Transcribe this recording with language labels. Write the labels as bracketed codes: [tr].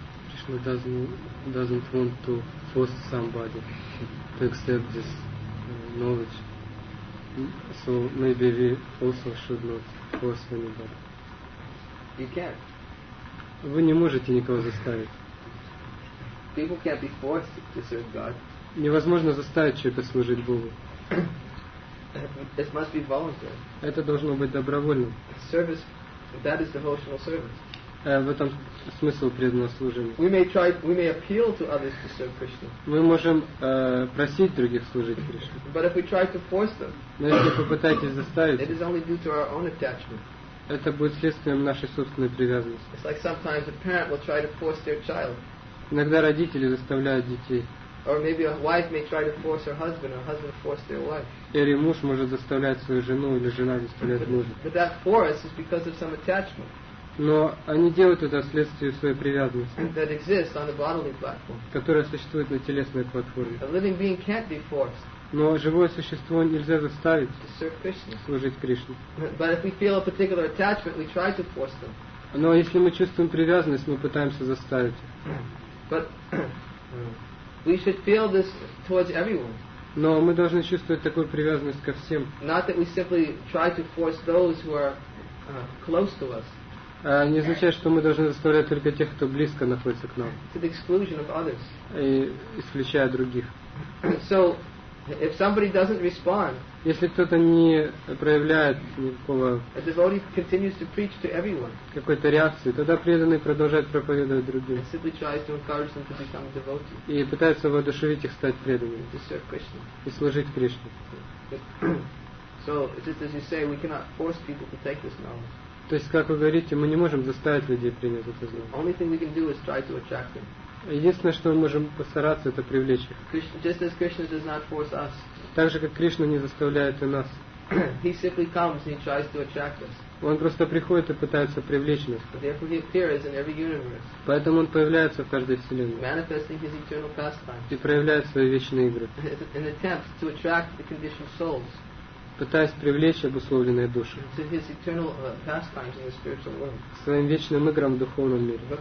[en] Кришна doesn't want to force somebody to accept this knowledge. So maybe we also should not force anybody. You can't. [ru] Вы не можете никого заставить. [en] People can't be forced to serve God. [ru] Невозможно заставить человека служить Богу. [en] It must be voluntary. [ru] Это должно быть добровольным. [en] Service, that is devotional service. [ru] В этом смысл преданного служения. [en] We may appeal to others to serve Krishna. [ru] Мы можем просить других служить Кришне. [en] But if we try to force them, [ru] но если попытаетесь заставить, [en] it is only due to our own attachment. [ru] Это будет следствием нашей собственной привязанности. [en] It's like sometimes a parent will try to force their child. [ru] Иногда родители заставляют детей. [en] Or maybe a wife may try to force her husband, or a husband force their wife. [ru] Или муж может заставлять свою жену, или жена заставляет мужа. [en] But that force is because of some attachment. [ru] Но они делают это вследствие своей привязанности. [en] That exists on the bodily platform. [ru] Которая существует на телесной платформе. [en] A living being can't be forced. [ru] Но живое существо нельзя заставить служить Кришне. [en] But if we feel a particular attachment, we try to force them. [ru] Но если мы чувствуем привязанность, мы пытаемся заставить. [en] But we should feel this towards everyone. [ru] Но мы должны чувствовать такую привязанность ко всем. [en] Not that we simply try to force those who are close to us. [ru] Не означает, что мы должны заставлять только тех, кто близко находится к нам. [en] To the exclusion of others. [ru] И исключая других. [en] So, if somebody doesn't respond, [ru] если кто-то не проявляет никакого, [en] a devotee continues to preach to everyone, [ru] какой-то реакции, тогда преданный продолжает проповедовать другим. [en] And simply tries to encourage them to become a devotee. [ru] И пытается воодушевить их стать преданными. [en] To serve Krishna. [ru] И служить Кришне. [en] So, just as you say, we cannot force people to take this knowledge. [ru] То есть, как вы говорите, мы не можем заставить людей принять это знание. [en] Only thing we can do is try to attract them. [ru] Единственное, что мы можем постараться, это привлечь их. [en] Just as Krishna does not force us. [ru] Так же, как Кришна не заставляет и нас. [en] He simply comes and he tries to attract us. [ru] Он просто приходит и пытается привлечь нас. [en] Therefore he appears in every universe. [ru] Поэтому он появляется в каждой вселенной. [en] Manifesting his eternal pastime. [ru] И проявляет свои вечные игры. [en] An attempt to attract the conditioned souls. [ru] Пытаясь привлечь обусловленные души к своим вечным играм в духовном мире.